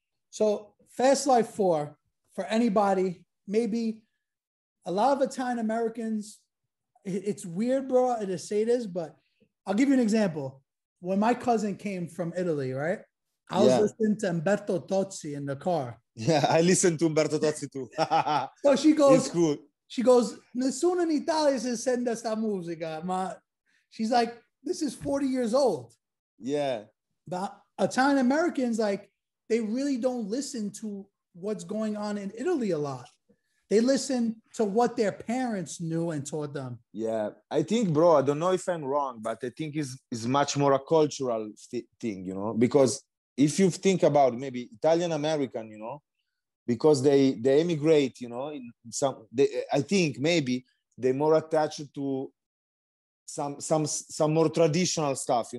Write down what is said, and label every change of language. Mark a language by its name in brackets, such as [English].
[English] So Fast Life 4, for anybody, maybe a lot of Italian Americans, it's weird, bro, to say this, but I'll give you an example. When my cousin came from Italy, right? I was listening to Umberto Tozzi in the car. Yeah, I listened to Umberto Tozzi too. So she goes, it's cool. She goes, [Italian] nessuno in Italia si sente sta musica, ma. [English] She's like, this is 40 years old. Yeah. But Italian Americans, like, they really don't listen to what's going on in Italy a lot. They listen to what their parents knew and taught them. Yeah. I think, bro, I don't know if I'm wrong, but I think it's much more a cultural thing, you know, because if you think about maybe Italian American, you know, because they immigrate, you know, in some, I think maybe they're more attached to some more traditional stuff.